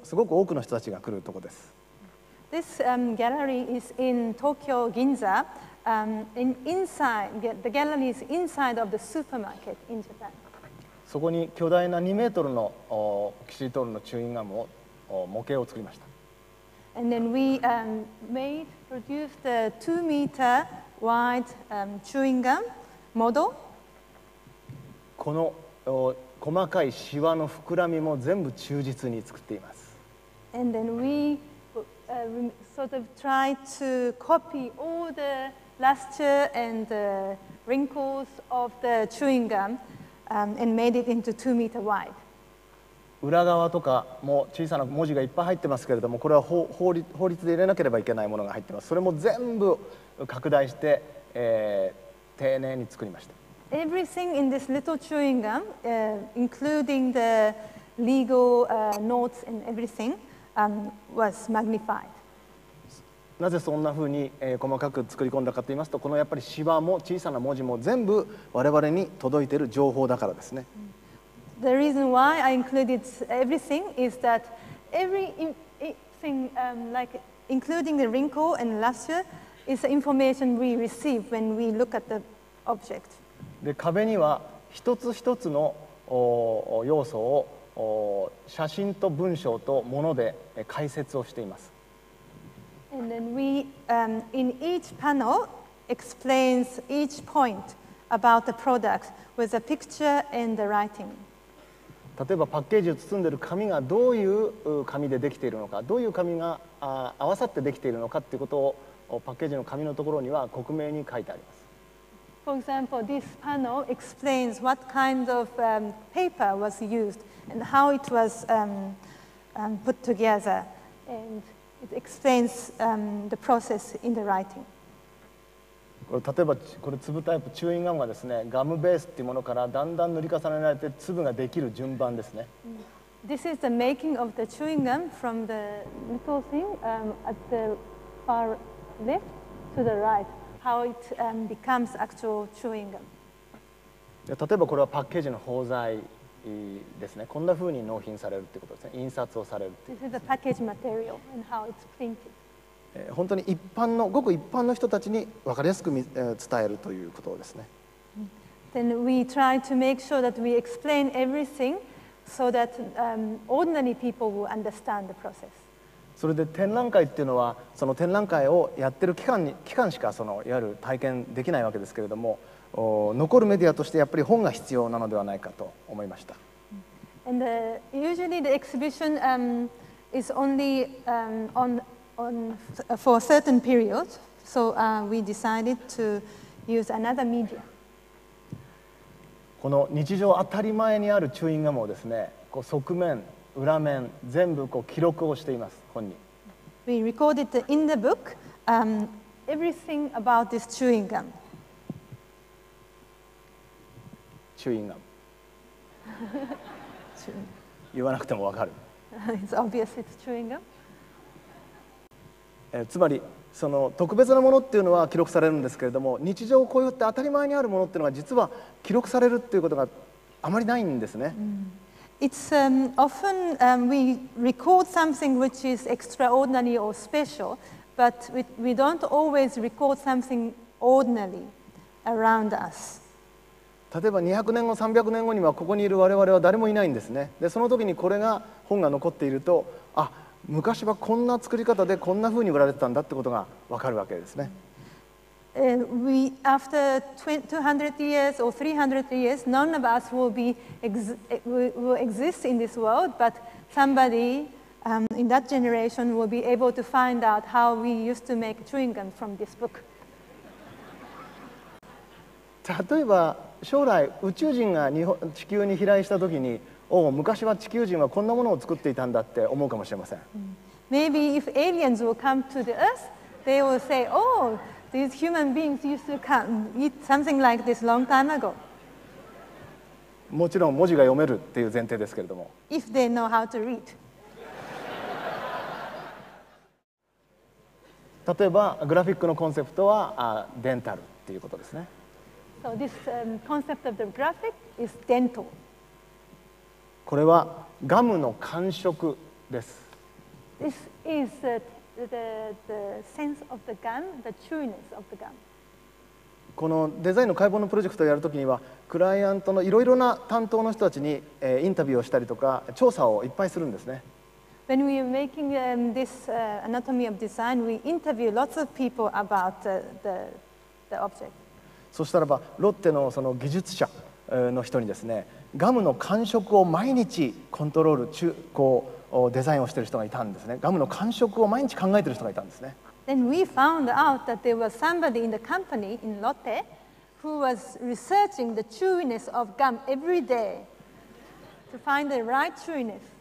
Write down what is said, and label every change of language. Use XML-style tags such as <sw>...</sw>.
<ja>すごく多くの人たちが来るとこです。</ja> <en>This gallery is in Tokyo Ginza. Inside the gallery is inside of the supermarket in Japan.</en> <ja>そこに巨大な2メートルのキシリトールのチューインガムを模型を作りました。</ja> <en>And then we produced the 2 meterWide chewing gum model.</en> <ja>この細かいシワの膨らみも全部忠実に作っています。</ja> <en>And then we sort of try to copy all the luster and the wrinkles of the chewing gum and made it into 2 meter wide.</en> <ja>裏側とかも小さな文字がいっぱい入ってますけれども、これは 法律で入れなければいけないものが入ってます。それも全部拡大して、丁寧に作りました。</ja> <en>Everything in this little chewing gum, including the legal notes and everything, was magnified.</en> <ja>なぜそんな風に細かく作り込んだかと言いますと、このやっぱりシワも小さな文字も全部我々に届いている情報だからですね。</ja> <en>The reason why I included everything is that everything, like including the wrinkle and luster, is the information we receive when we look at the object.</en> <ja>で、壁には一つ一つの要素を写真と文章と物で解説をしています。</ja> <en>And then we, in each panel, explains each point about the product with a picture and the writing.</en> <ja>例えばパッケージを包んでいる紙がどういう紙でできているのか、どういう紙が合わさってできているのかということをパッケージの紙のところには克明に書いてあります。</ja> <en>For example, this panel explains what kind of paper was used and how it was put together. And... It explains, the process in the writing.</en> <ja>これ例えばこれ粒タイプチューインガムがですね、ガムベースっていうものからだんだん塗り重ねられて粒ができる順番ですね。</ja> <en>This is the making of the chewing gum from the little thing, at the far left to the right, how it, becomes actual chewing gum.</en> <ja>例えばこれはパッケージの包材ですね、こんな風に納品されるということですね、印刷をされるということですね。</ja> <en>This is the package material and how it's printed.</en> <ja>本当に一般のごく一般の人たちに分かりやすく伝えるということですね。</ja> <en>Then we try to make sure that we explain everything so that, ordinary people will understand the process.</en> <ja>それで展覧会っていうのはその展覧会をやってる期間しかそのいわゆる体験できないわけですけれども、残るメディアとしてやっぱり本が必要なのではないかと思いました。</ja> <en>And usually the exhibition is only on for a certain period, so we decided to use another media.</en> <ja>この日常当たり前にあるチューインガムをですね、こう側面、裏面、全部こう記録をしています、本に。</ja> <en>We recorded in the book everything about this chewing gum.</en> <ja>チューインガム言わなくても分かる。</ja> <en>It's obvious it's chewing gum.</en> <ja>つまりその特別なものっていうのは記録されるんですけれども、日常こうやって当たり前にあるものっていうのは実は記録されるっていうことがあまりないんですね。</ja> <en>It's often we record something which is extraordinary or special, but we don't always record something ordinary around us.</en> <ja>例えば200年後、300年後にはここにいる我々は誰もいないんですね。で、その時にこれが本が残っていると、あ、昔はこんな作り方でこんな風に売られてたんだってことが分かるわけですね。</ja> <en>We, after 200 years or 300 years, none of us will be will exist in this world, but somebody, in that generation will be able to find out how we used to make chewing gum from this book.</en> <ja>例えば将来宇宙人が地球に飛来したときに、お、昔は地球人はこんなものを作っていたんだって思うかもしれません。</ja> <en>Maybe if aliens will come to the Earth, they will say, oh, these human beings used to come eat something like this long time ago.</en> <ja>もちろん文字が読めるっていう前提ですけれども。</ja> <en>If they know how to read.</en> <ja>例えばグラフィックのコンセプトはデンタルっていうことですね。</ja> <en>So this, concept of the graphic is dental.</en> <ja>これはガムの感触です。</ja> <en>This is the sense of the gum, the chewiness of the gum.</en> <ja>このデザインの解剖のプロジェクトをやるときには、クライアントのいろいろな担当の人たちに、インタビューをしたりとか、調査をいっぱいするんですね。</ja> <en>When we are making, this, anatomy of design, we interview lots of people about, the object.</en> <ja>そしたらば、ロッテのその技術者の人にですね、ガムの感触を毎日コントロール、こうデザインをしている人がいたんですね。ガムの感触を毎日考えている人がいたんですね。</ja> <en>Then we found out that there was somebody in the company in Lotte who was researching the chewiness of gum every day to find the right chewiness.</en>